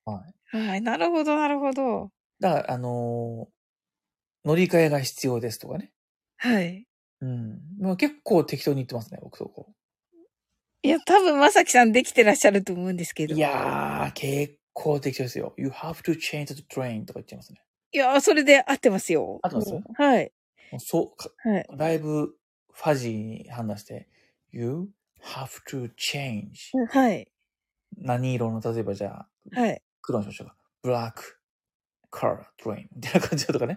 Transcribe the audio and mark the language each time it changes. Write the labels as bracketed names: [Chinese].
[Japanese] はい。はい、なるほど、なるほど。だから、乗り換えが必要ですとかね。はい。うん、もう結構適当に言ってますね、僕そこ。いや、多分、まさきさんできてらっしゃると思うんですけど。いやー、結構適当ですよ。 [English] You have to change the train [Japanese] とか言っちゃいますね。いやー、それで合ってますよ。合ってますよ。はい。そう、はい、だいぶファジーに判断して、 [English] You have to change。 [Japanese] はい。何色の、例えばじゃあ、はい、黒にしましょうか。 [English] Black car train [Japanese] みたいな感じとかね。